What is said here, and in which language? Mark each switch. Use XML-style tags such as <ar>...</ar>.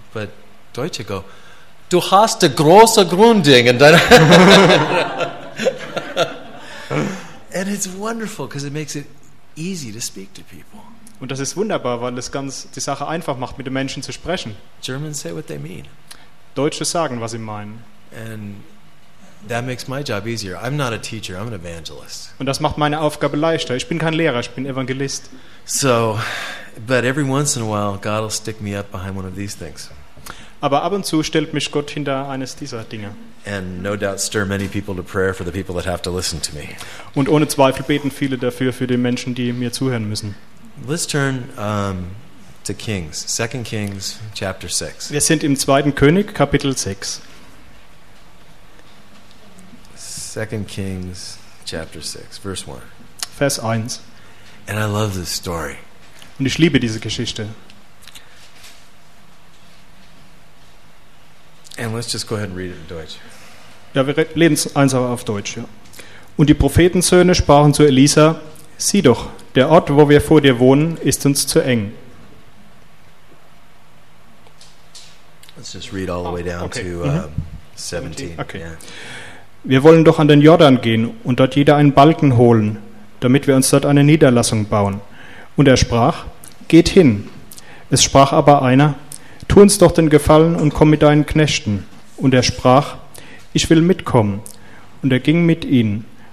<de>But Deutsche go, du hast das große Grundding in deiner.</de> <en>And it's wonderful, because it makes it easy to speak to people.</en> <de>Und das ist wunderbar, weil es ganz die Sache einfach macht, mit den Menschen zu sprechen.</de> <en>Germans say what they mean.</en> <de>Deutsche sagen, was sie meinen.</de> <en>And that makes my job easier. I'm not a teacher, I'm an evangelist.</en> <de>Und das macht meine Aufgabe leichter. Ich bin kein Lehrer, ich bin Evangelist.</de> <en>So, but every once in a while God will stick me up behind one of these things.</en> <de>Aber ab und zu stellt mich Gott hinter eines dieser Dinge.</de> <en>And no doubt stir many people to prayer for the people that have to listen to me.</en> <de>Und ohne Zweifel beten viele dafür für die Menschen, die mir zuhören müssen.</de> <en>Let's turn to Kings, 2 Kings chapter 6.</en> <de>Wir sind im 2. König, Kapitel 6.</de> <en>2 Kings chapter 6, verse 1.</en> <de>Vers 1.</de> <en>And I love this story.</en> <de>Und ich liebe diese Geschichte.</de> <en>And let's just go ahead and read it in Deutsch.</en> <de>Ja, wir lesen es einfach auf Deutsch, ja. Und die Prophetensöhne sprachen zu Elisa: Sieh doch, der Ort, wo wir vor dir wohnen, ist uns zu eng.</de> <en>Let's just read all the way down to 17. Okay. Yeah.</en> <de>Wir wollen doch an den Jordan gehen und dort jeder einen Balken holen, damit wir uns dort eine Niederlassung bauen. Und er sprach, geht hin. Es sprach aber einer, tu uns doch den Gefallen und komm mit deinen Knechten. Und er sprach, ich will mitkommen. Und er ging mit ihnen.</de>